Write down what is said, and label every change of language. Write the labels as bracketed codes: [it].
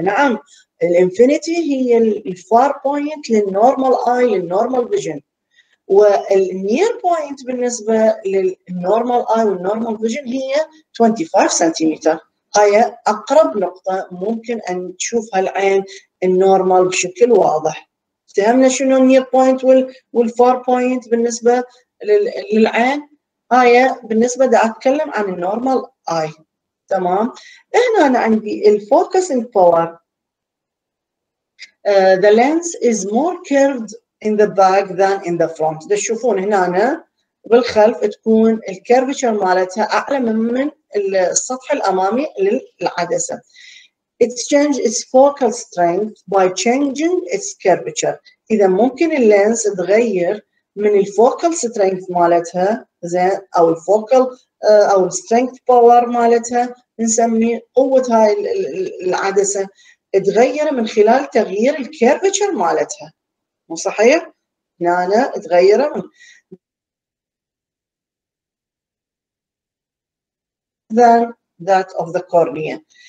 [ar] نعم الإنفينيتي هي الـ far point للنورمال آي للنورمال فيجن والنير بوينت بالنسبة للنورمال آي والنورمال فيجن هي 25 سنتيمتر هي أقرب نقطة ممكن أن تشوفها العين النورمال بشكل واضح. فهمنا شنو النير بوينت والفار بوينت بالنسبة للعين هي بالنسبة دا أتكلم عن النورمال آي تمام. هنا أنا عندي الفوكسينج باور [en] the lens is more curved in the back than in the front. [ar] تشوفون هنا أنا بالخلف تكون الكيرفتشر مالتها اعلى من السطح الامامي للعدسه. [en] it changes its focal strength by changing its curvature. [ar] إذا ممكن اللينز تغير من الفوكال سترينث مالتها زين أو الفوكال أو السترينث باور مالتها نسمي قوة هاي العدسة تغير من خلال تغيير الكيربتشر مالتها مو صحيح؟ هنا أنا تغير من [en] than that of the cornea.